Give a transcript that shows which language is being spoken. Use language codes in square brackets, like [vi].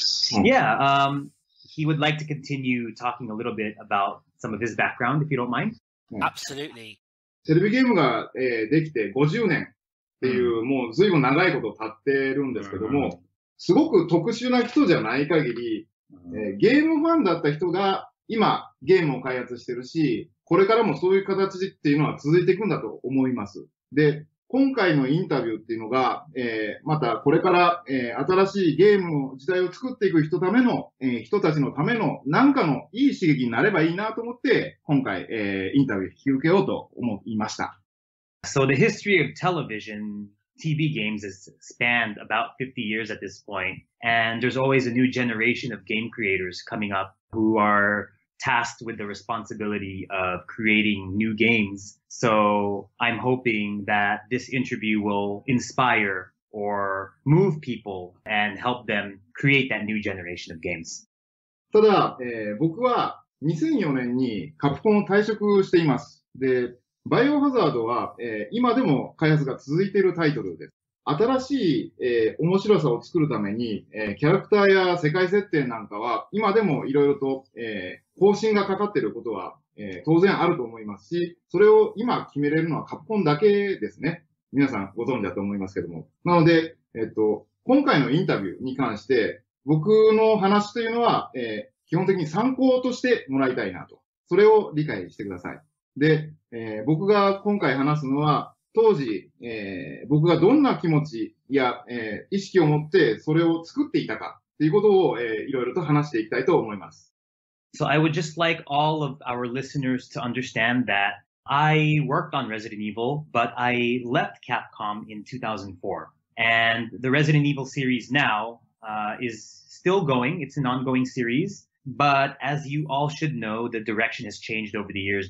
[en] He would like to continue talking a little bit about some of his background, if you don't mind. Absolutely. [ja] テレビゲームが、できて50年っていう、もう随分長いこと経ってるんですけども、すごく特殊な人じゃない限り、ゲームファンだった人が今ゲームを開発してるし、これからもそういう形っていうのは続いていくんだと思います。で、今回のインタビューっていうのが、またこれから、新しいゲームの時代を作っていく人ための、人たちのためのなんかのいい刺激になればいいなと思って、今回、インタビュー引き受けようと思いました。 [en] So the history of television, TV games has spanned about 50 years at this point, and there's always a new generation of game creators coming up who are tasked with the responsibility of creating new games. So I'm hoping that this interview will inspire or move people and help them create that new generation of games. [ja] ただ、僕は2004年にカプコンを退職しています。で、バイオハザードは、今でも開発が続いているタイトルです。新しい、面白さを作るために、キャラクターや世界設定なんかは今でもいろいろと、更新がかかっていることは、当然あると思いますし、それを今決めれるのはカプコンだけですね。皆さんご存知だと思いますけども。なので、今回のインタビューに関して、僕の話というのは、基本的に参考としてもらいたいなと。それを理解してください。で、僕が今回話すのは、当時、僕がどんな気持ちや、意識を持ってそれを作っていたかということを、いろいろと話していきたいと思います。 [en] So I would just like all of our listeners to understand that I worked on Resident Evil, but I left Capcom in 2004. And the Resident Evil series now, is still going. It's an ongoing series. But as you all should know, the direction has changed over the years.